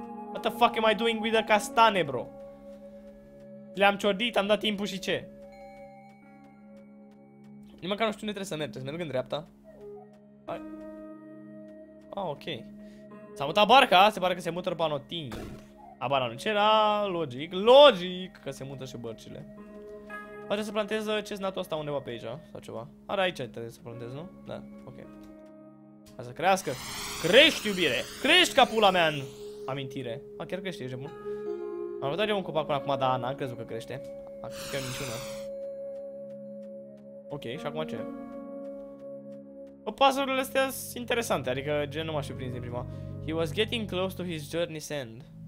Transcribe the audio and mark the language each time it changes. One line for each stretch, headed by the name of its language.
English: What the fuck am I doing with the castane, bro?
Romanian: Le-am ciordit, am dat timpul și ce? Nici măcar nu știu unde trebuie să merg, trebuie să merg în dreapta. Ah, ok. S-a mutat barca, se pare că se mută după anotimp. Abana nu cera, logic, că se mută și bărcile. Poate să planteze cesnatul ăsta undeva pe aici, sau ceva. Are aici trebuie să plantez, nu? Da, ok. Hai să crească. Crești, iubire! Crești ca pula mea în amintire. A, chiar crește, ești bun. Am văzut eu un copac până acum, dar n-am crezut că crește. A, chiar niciuna. Ok, și acum ce? O, puzzle-urile astea sunt interesante, adică gen nu m-aș fi prins din prima.
English: He was getting close to his journey's end.